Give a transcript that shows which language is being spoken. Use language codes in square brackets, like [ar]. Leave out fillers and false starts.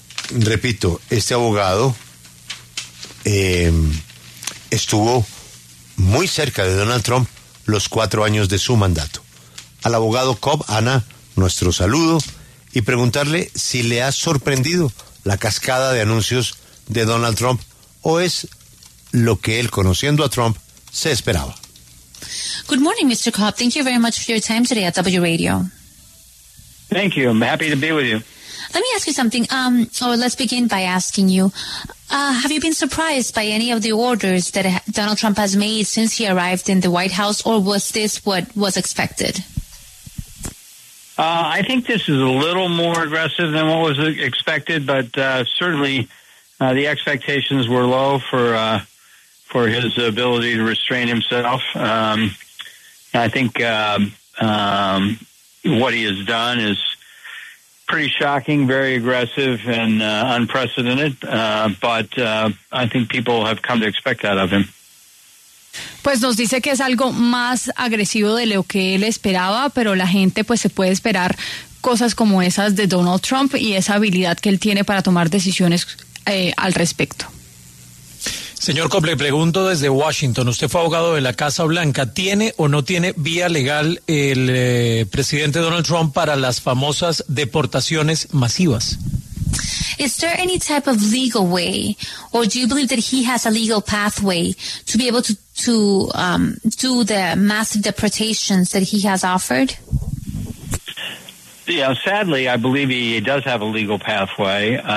[es] Repito, este abogado estuvo muy cerca de Donald Trump los 4 años de su mandato. Al abogado Cobb, Ana, nuestro saludo, y preguntarle si le ha sorprendido la cascada de anuncios de Donald Trump, o es lo que él, conociendo a Trump, se esperaba. [en] Good morning, Mr. Cobb. Thank you very much for your time today at W Radio. Thank you. I'm happy to be with you. Let me ask you something. Let's begin by asking you, have you been surprised by any of the orders that Donald Trump has made since he arrived in the White House, or was this what was expected? I think this is a little more aggressive than what was expected, but certainly the expectations were low for his ability to restrain himself. I think what he has done is pretty shocking, very aggressive, and unprecedented, but I think people have come to expect that of him. [es] Pues nos dice que es algo más agresivo de lo que él esperaba, pero la gente pues se puede esperar cosas como esas de Donald Trump y esa habilidad que él tiene para tomar decisiones al respecto. Señor Cobb, le pregunto desde Washington, usted fue abogado de la Casa Blanca, ¿tiene o no tiene vía legal el presidente Donald Trump para las famosas deportaciones masivas? [en] Is there any type of legal way, or do you believe that he has a legal pathway to be able to do the massive deportations that he has offered? Yeah, sadly, I believe he does have a legal pathway.